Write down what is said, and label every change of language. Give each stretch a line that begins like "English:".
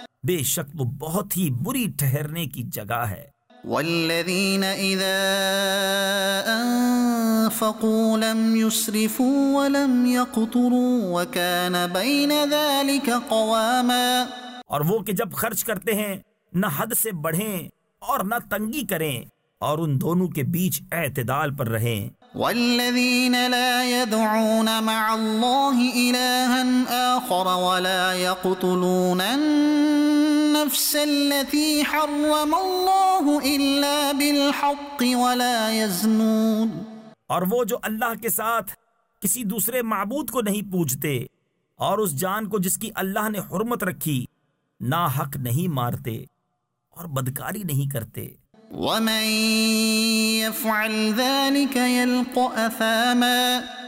Urdu: بے شک وہ بہت ہی بری ٹھہرنے کی جگہ ہے
Arabic: والذین اذا انفقوا لم يسرفوا ولم يقتروا وكان بين ذلك قواما
Urdu: اور وہ کہ جب خرچ کرتے ہیں نہ حد سے بڑھیں اور نہ تنگی کریں اور ان دونوں کے بیچ اعتدال پر رہیں
Arabic: والذين لا يدعون مع الله إلها آخر ولا يقتلون النفس التي حرم الله إلا بالحق ولا يزنون
Urdu: اور وہ جو اللہ کے ساتھ کسی دوسرے معبود کو نہیں پوجتے اور اس جان کو جس کی اللہ نے حرمت رکھی نا حق نہیں مارتے اور بدکاری نہیں کرتے
Arabic: وَمَن يَفْعَلْ ذَلِكَ يَلْقَ أَثَامًا